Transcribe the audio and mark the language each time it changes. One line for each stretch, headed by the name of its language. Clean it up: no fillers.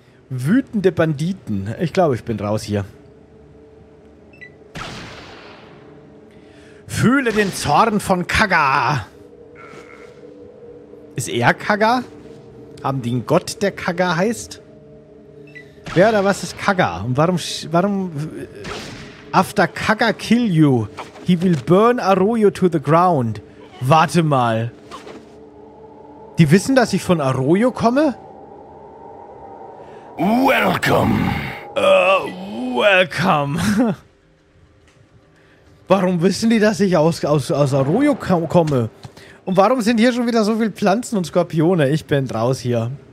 German: Wütende Banditen. Ich glaube, ich bin raus hier. Fühle den Zorn von Kaga. Ist er Kaga? Haben die einen Gott, der Kaga heißt? Wer oder was ist Kaga? Und warum...
English: After Kaga kill you, he will burn Arroyo to the ground.
German: Warte mal. Die wissen, dass ich von Arroyo komme?
English: Welcome. Welcome.
German: Warum wissen die, dass ich aus Arroyo komme? Und warum sind hier schon wieder so viele Pflanzen und Skorpione? Ich bin raus hier.